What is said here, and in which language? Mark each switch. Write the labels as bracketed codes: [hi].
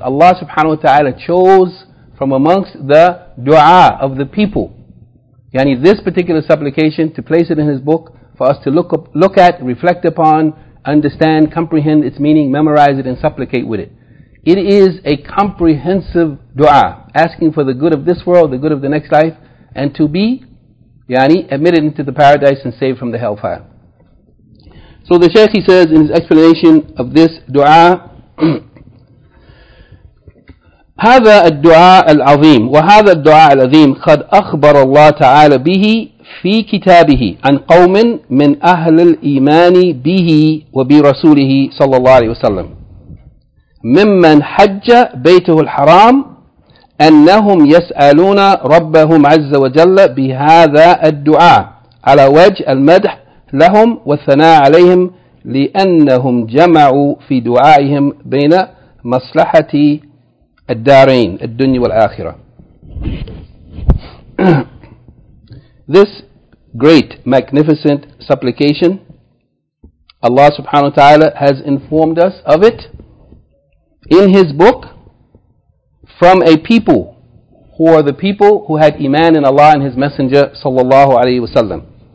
[en] Allah subhanahu wa ta'ala chose from amongst the dua of the people, this particular supplication, to place it in his book for us to look at, reflect upon, understand, comprehend its meaning, memorize it, and supplicate with it. It is a comprehensive dua, asking for the good of this world, the good of the next life, and to be admitted into the paradise and saved from the hellfire. So the Shaykh, he says in his explanation of this dua, [ar] هذا الدعاء العظيم وهذا الدعاء العظيم قد أخبر الله تعالى به في كتابه عن قوم من أهل الإيمان به وبرسوله صلى الله عليه وسلم ممن حج بيته الحرام أنهم يسألون ربهم عز وجل بهذا الدعاء على وجه المدح لهم والثناء عليهم لأنهم جمعوا في دعائهم بين مصلحة الدارين الدنيا والآخرة. [en] This great, magnificent supplication, Allah subhanahu wa ta'ala has informed us of it in His book from a people who are the people who had iman in Allah and His Messenger sallallahu alayhi wa sallam.